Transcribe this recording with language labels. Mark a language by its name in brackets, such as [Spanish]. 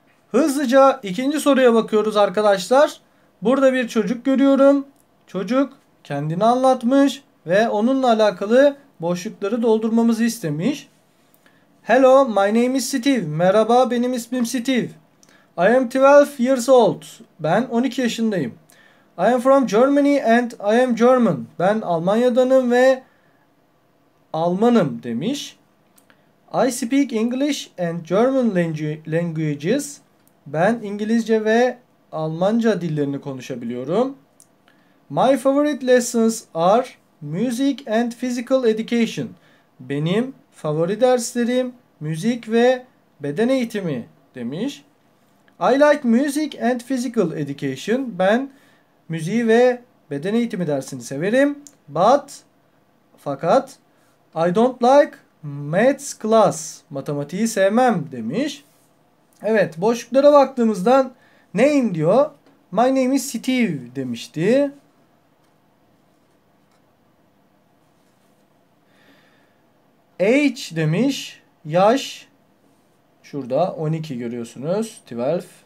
[Turkish] Hızlıca ikinci soruya bakıyoruz arkadaşlar. Burada bir çocuk görüyorum. Çocuk kendini anlatmış ve onunla alakalı boşlukları doldurmamızı istemiş. [English] Hello, my name is Steve. [Turkish] Merhaba, benim ismim Steve. [English] I am 12 years old. [Turkish] Ben 12 yaşındayım. [English] I am from Germany and I am German. [Turkish] Ben Almanya'danım ve Almanım demiş. [English] I speak English and German languages. [Turkish] Ben İngilizce ve Almanca dillerini konuşabiliyorum. [English] My favorite lessons are music and physical education. [Turkish] Benim favori derslerim müzik ve beden eğitimi demiş. [English] I like music and physical education. [Turkish] Ben müziği ve beden eğitimi dersini severim. Fakat [English] I don't like maths class. [Turkish] Matematiği sevmem demiş. Evet, boşluklara baktığımızdan name diyor. [English] My name is Steve [Turkish] demişti. Age demiş. Yaş. Şurada 12 görüyorsunuz. 12.